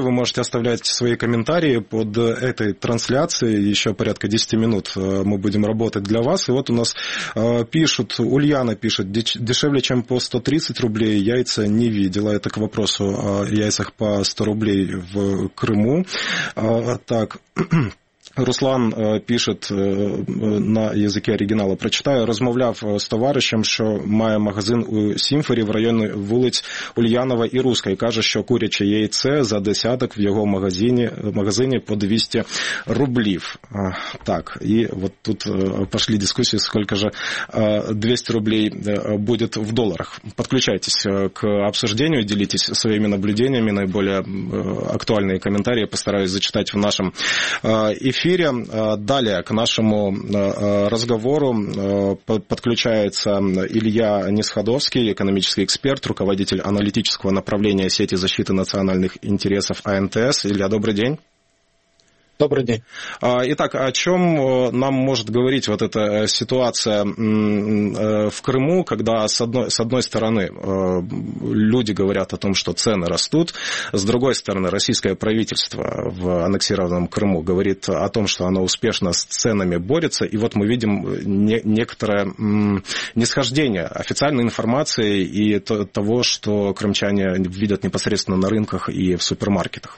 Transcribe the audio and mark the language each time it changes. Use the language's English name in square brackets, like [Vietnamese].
[Russian] Вы можете оставлять свои комментарии под этой трансляцией. Еще порядка 10 минут мы будем работать для вас. И вот у нас пишут, Ульяна пишет, дешевле, чем по 130 рублей яйца не видела. Это к вопросу о яйцах по 100 рублей в Крыму. Так... Руслан пишет на языке оригинала, прочитаю, [Ukrainian] розмовляв з товаришем, що має магазин у Сімфорі в районі вулиць Ульянова і Руська, і каже, що куряче яйце за десяток в його магазині по 200 рублів. Так, і от тут пішли дискусії, скільки ж 200 рублів буде в доларах. Підключайтесь к обсужденню, ділітесь своїми наблюдениями, найбільш актуальні коментарі постараюсь зачитати в нашому ефірі. [Russian] Далее к нашему разговору подключается Илья Нисходовский, экономический эксперт, руководитель аналитического направления сети защиты национальных интересов АНТС. Илья, добрый день. Добрый день. Итак, о чем нам может говорить вот эта ситуация в Крыму, когда с одной стороны люди говорят о том, что цены растут, с другой стороны российское правительство в аннексированном Крыму говорит о том, что оно успешно с ценами борется, и вот мы видим некоторое нисхождение официальной информации и того, что крымчане видят непосредственно на рынках и в супермаркетах.